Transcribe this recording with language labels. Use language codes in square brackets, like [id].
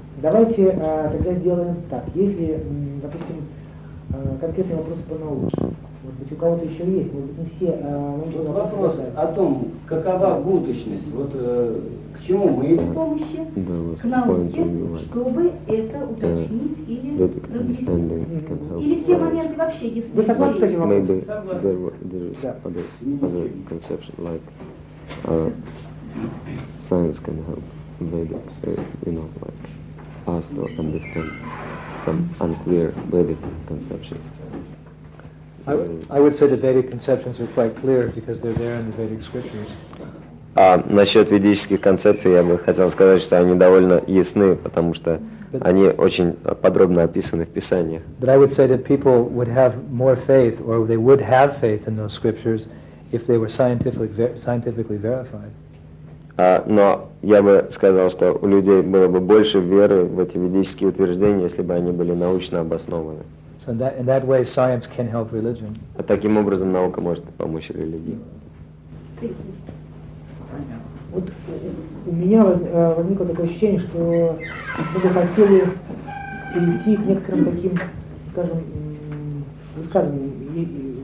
[ru] Давайте тогда сделаем так. Если, допустим, конкретный вопрос по науке, может быть, у кого-то еще есть, может быть, не все научные вот вопросы. Вопрос о том, какова будущность, вот к чему мы идем. При помощи к науке, чтобы это уточнить или разъяснить. Или все моменты вообще ясны. Вы согласны с этим вопросом? [en] Maybe there is other conception, like science can help Vedic, you know, like us to understand some unclear Vedic conceptions. I would say the Vedic conceptions are quite clear because they're there in the Vedic scriptures. [ru] Насчет ведических концепций я бы хотел сказать, что они довольно ясны, потому что они очень подробно описаны в Писаниях. [en] But I would say that people would have more faith, or they would have faith in those scriptures, if they were scientifically verified. [ru] Но я бы сказал, что у людей было бы больше веры в эти ведические утверждения, если бы они были научно обоснованы. [en] So in that way, science can help religion. [ru] А таким образом наука может помочь религии. Вот у меня возникло такое ощущение, что мы бы хотели перейти к некоторым таким, скажем, высказываниям.